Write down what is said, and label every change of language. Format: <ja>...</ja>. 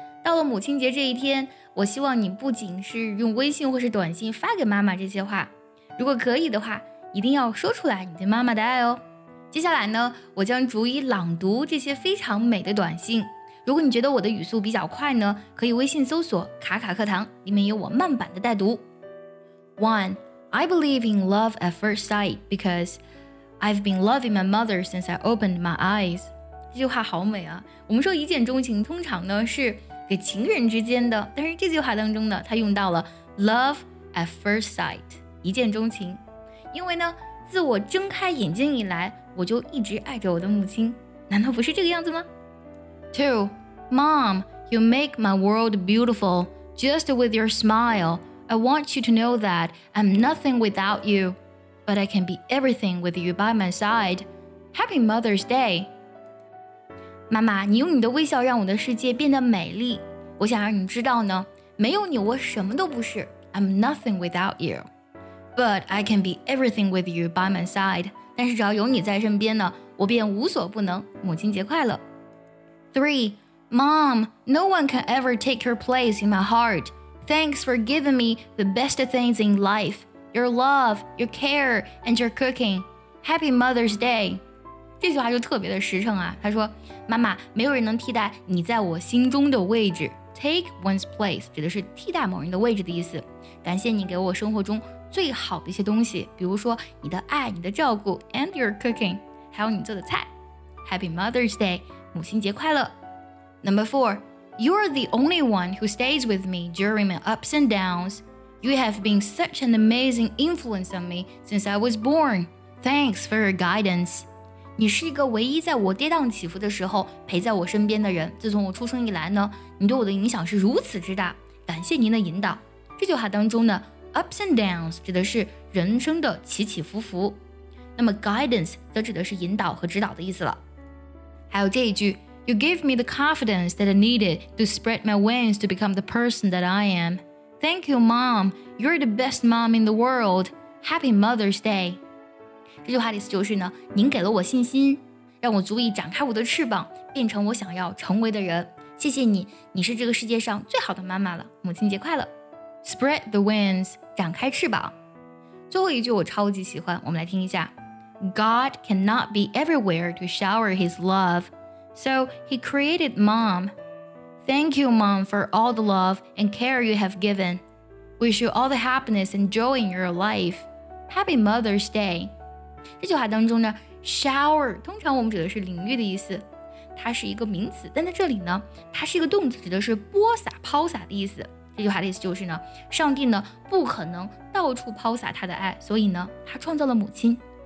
<zh>到了母亲节这一天，我希望你不仅是用微信或是短信发给妈妈这些话，如果可以的话，一定要说出来你对妈妈的爱哦。接下来呢，我将逐一朗读这些非常美的短信。如果你觉得我的语速比较快呢，可以微信搜索卡卡课堂，里面有我慢版的带读。 1.</zh> <en>I believe in love at first sight because I've been loving my mother since I opened my eyes.</en> <zh>这句话好美啊，我们说一见钟情通常呢是给情人之间的，但是这句话当中呢，他用到了</zh> <en>love at first sight，</en> <zh>一见钟情。因为呢，自我睁开眼睛以来，我就一直爱着我的母亲，难道不是这个样子吗？ 2.</zh> <en>Mom, you make my world beautiful just with your smile. I want you to know that I'm nothing without you, but I can be everything with you by my side. Happy Mother's Day!</en> <zh>妈妈，你用你的微笑让我的世界变得美丽。我想让你知道呢，没有你我什么都不是。</zh> <en>I'm nothing without you, but I can be everything with you by my side.</en> <zh>但是只要有你在身边呢，我便无所不能。母亲节快乐。</zh> <en>3. Mom, no one can ever take your place in my heart. Thanks for giving me the best things in life. Your love, your care, and your cooking. Happy Mother's Day.</en> <zh>这句话就特别的实诚啊。他说，妈妈，没有人能替代你在我心中的位置。 Take one's place 指的是替代某人的位置的意思。感谢你给我生活中最好的一些东西，比如说你的爱，你的照顾 ，</zh> <en>and your cooking，</en> <zh>还有你做的菜。</zh> <en>Happy Mother's Day，</en> <zh>母亲节快乐。</zh> <en>Number 4. You are the only one who stays with me during my ups and downs. You have been such an amazing influence on me since I was born. Thanks for your guidance.</en> <zh>你是一个唯一在我跌宕起伏的时候陪在我身边的人。自从我出生以来呢，你对我的影响是如此之大。感谢您的引导。这句话当中呢 ,ups and downs 指的是人生的起起伏伏。那么 guidance 则指的是引导和指导的意思了。还有这一句</zh> <en>You gave me the confidence that I needed to spread my wings to become the person that I am. Thank you, Mom. You're the best mom in the world. Happy Mother's Day.</en> <zh>这句话的意思就是呢，您给了我信心，让我足以展开我的翅膀，变成我想要成为的人。谢谢你，你是这个世界上最好的妈妈了。母亲节快乐。</zh> <en>Spread the wings,</en> <zh>展开翅膀。最后一句我超级喜欢，我们来听一下。</zh> <en>God cannot be everywhere to shower his love. So he created mom. Thank you, mom, for all the love and care you have given. Wish you all the happiness and joy in your life. Happy Mother's Day.</en> <zh>这句话当中呢 ，shower 通常我们指的是淋浴的意思，它是一个名词，但在这里呢，它是一个动词，指的是播撒、抛洒的意思。这句话的意思就是呢，上帝呢不可能到处抛洒他的爱，所以呢，他创造了母亲。</zh>